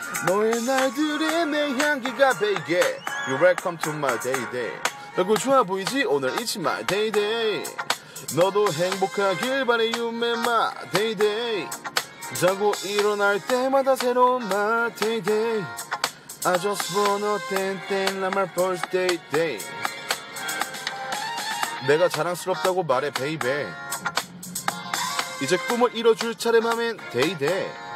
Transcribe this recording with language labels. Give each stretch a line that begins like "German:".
Korean: 너의 날들에 내 향기가 배게.
English: You're welcome to my day.
Korean: 얼굴 좋아 보이지? 오늘 잊지 마 day. 너도 행복하길 바래.
English: You made my day.
Korean: 자고 일어날 때마다 새로운 날 day.
English: I just wanna dance in my birthday day.
Korean: 내가 자랑스럽다고 말해 baby. 이제 꿈을 이뤄줄 차례만은 day.